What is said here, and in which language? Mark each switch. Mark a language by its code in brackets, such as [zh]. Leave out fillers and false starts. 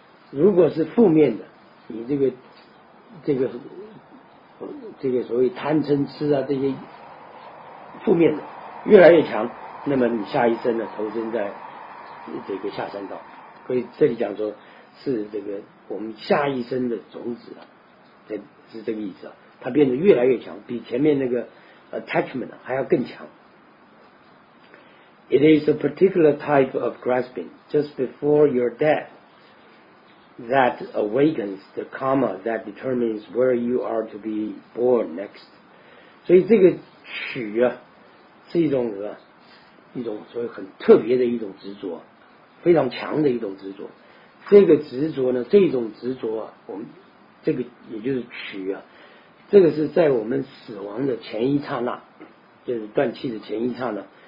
[zh] 如果是负面的，你这个所谓贪嗔痴啊，这些负面的越来越强，那么你下一生呢投身在这个下三道。所以这里讲说是这个我们下一生的种子啊，是这个意思啊，它变得越来越强，比前面那个 attachment 啊还要更强。 [en] It is a particular type of grasping just before your death that awakens the karma that determines where you are to be born next. [zh] 所以这个取啊，是一种所谓很特别的一种执着，非常强的一种执着。这个执着呢，这种执着啊，我们这个也就是取啊，这个是在我们死亡的前一刹那，就是断气的前一刹那。